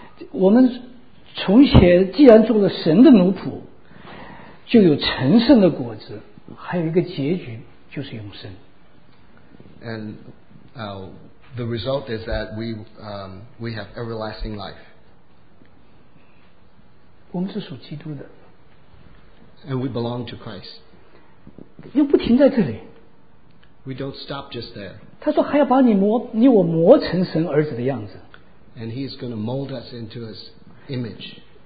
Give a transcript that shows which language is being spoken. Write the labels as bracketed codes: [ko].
[zh] 我们从前既然做了神的奴仆，就有成圣的果子，还有一个结局就是永生。 [en] And the result is that we have everlasting life. [zh] 我们是属基督的。 [en] And we belong to Christ. [zh] 又不停在这里。 [en] We don't stop just there. [zh] 他说还要把你我磨成神儿子的样子。 [en] And he is going to mold us into his image.